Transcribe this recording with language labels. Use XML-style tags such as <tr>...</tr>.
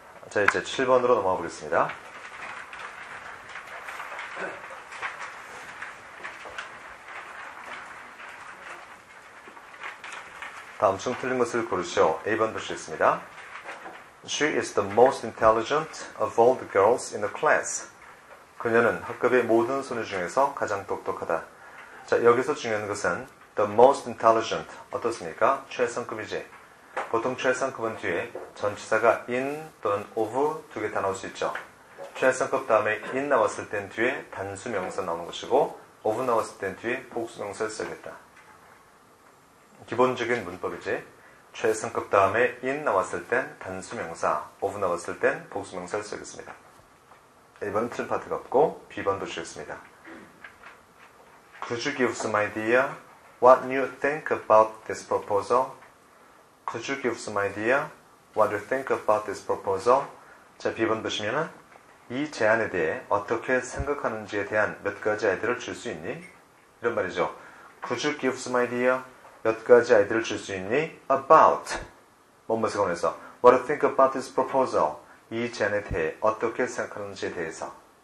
<ko>자, 이제 7번으로 넘어가 보겠습니다. 다음 중 틀린 것을 고르시오. A번 보시겠습니다.</ko> <en>She is the most intelligent of all the girls in the class.</en> <ko>그녀는 학급의 모든 소녀 중에서 가장 똑똑하다. 자, 여기서 중요한 것은</ko> <en>the most intelligent.</en> <ko>어떻습니까? 최상급이지. 보통 최상급은 뒤에 전치사가 in 또는 of 두 개 다 나올 수 있죠. 최상급 다음에 in 나왔을 땐 뒤에 단수명사 나오는 것이고 오브 나왔을 땐 뒤에 복수명사를 써야겠다. 기본적인 문법이지. 최상급 다음에 in 나왔을 땐 단수명사, of 나왔을 땐 복수명사를 쓰겠습니다. 1번 틀린 파트가 없고 B번 보시겠습니다.</ko> <en>Could you give some idea what you think about this proposal? Could you give some idea what you think about this proposal?</en> <ko>자, B번 보시면 이 제안에 대해 어떻게 생각하는지에 대한 몇 가지 아이디어를 줄 수 있니? 이런 말이죠.</ko> <en>Could you give some idea?</en> <ko>몇 가지 아이디어를 줄 수 있니?</ko> <en>About.</en> <ko>뭐뭐에 관해서.</ko> <en>What do you think about this proposal?</en> <ko>이 제안에 대해 어떻게 생각하는지에 대해서.</ko>